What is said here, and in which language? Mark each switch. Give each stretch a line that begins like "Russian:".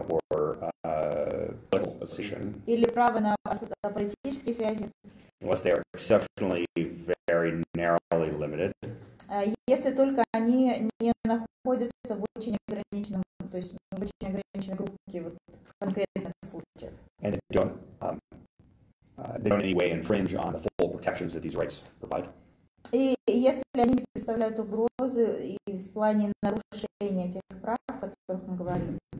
English: or political position
Russian: или право на политические связи.
English: Unless they are exceptionally very narrowly limited.
Russian: Если только они не находятся в очень ограниченном, то есть в очень ограниченной группе вот конкретных случаев.
English: And they don't in any way infringe on the full protections that these rights provide.
Russian: И если они не представляют угрозы и в плане нарушения тех прав, о которых мы говорим.